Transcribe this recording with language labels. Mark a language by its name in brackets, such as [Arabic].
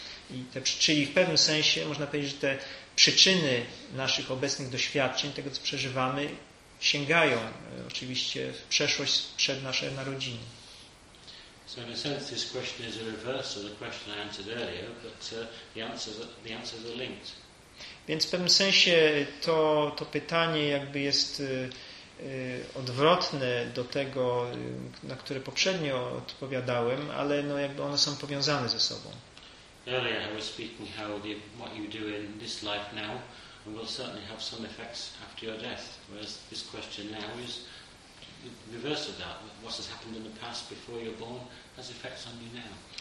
[Polish] I te, czyli w pewnym sensie można powiedzieć, że te przyczyny naszych obecnych doświadczeń, tego co przeżywamy, sięgają oczywiście w przeszłość przed nasze narodziny. [English] So in a sense this question is a reverse of the question I answered earlier, but the answers are linked. [Polish] Więc w pewnym sensie to pytanie jakby jest odwrotne do tego, na które poprzednio odpowiadałem, ale no jakby one są powiązane ze sobą. [English] Earlier I was speaking how what you do in this life now will certainly have some effects after your death, whereas this question now is the reverse of that. What has happened in the past before you're born has effects on you now.